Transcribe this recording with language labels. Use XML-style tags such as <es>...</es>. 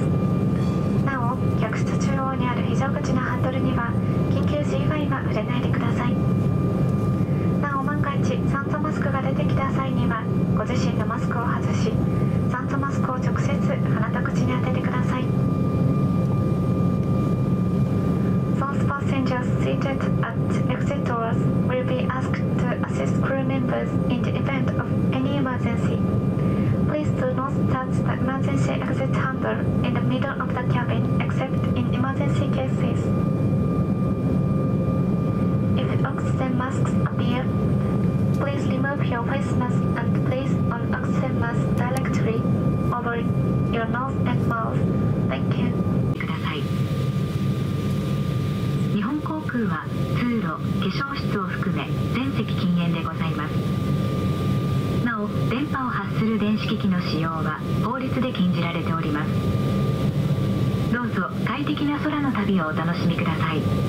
<ja>なお客室中央にある非常口のハンドルには緊急時以外は触れないでください。酸素マスクが出てきた際にはご自身のマスクを外し酸素マスクを直接鼻と口に当ててください。</ja> <en>Those passengers seated at exit doors will be asked to assist crew members in the event of any emergency. Please do not touch the emergency exit handle in the middle of the cabin except in emergency cases. If oxygen masks appear,Please remove your face mask and place on oxygen mask directly over your nose and mouth. Thank you.</en> <ja>ください。日本航空は通路、化粧室を含め全席禁煙でございます。なお、電波を発する電子機器の使用は法律で禁じられております。どうぞ快適な空の旅をお楽しみください。</ja>